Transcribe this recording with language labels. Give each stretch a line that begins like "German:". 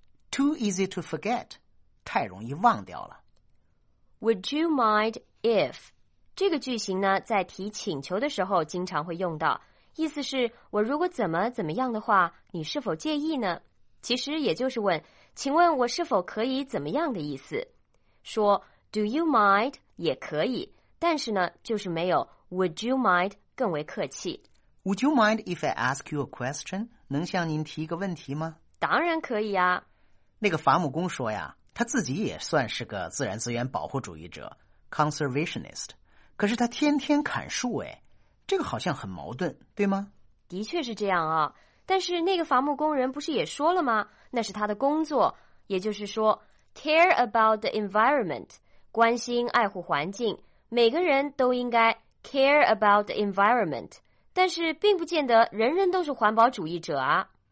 English: Too easy to forget，
Chinese: 太容易忘掉了。
English: Would you mind if
Chinese: 这个句型呢，在提请求的时候经常会用到，意思是我如果怎么怎么样的话，你是否介意呢？其实也就是问，请问我是否可以怎么样的意思。说
English: Do you mind
Chinese: 也可以，但是呢，就是没有
English: Would you mind
Chinese: 更为客气。
English: Would you mind if I ask you a question，
Chinese: 能向您提一个问题吗？当然可以啊。那个伐木工说呀，他自己也算是个自然资源保护主义者 conservationist， 可是他天天砍树，哎，这个好像很矛盾，对吗？的确是这样啊，但是那个伐木工人不是也说了吗？那是他的工作，也就是说
English: care about the environment，
Chinese: 关心爱护环境，每个人都应该 care about the environment， 但是并不见得人人都是环保主义者啊。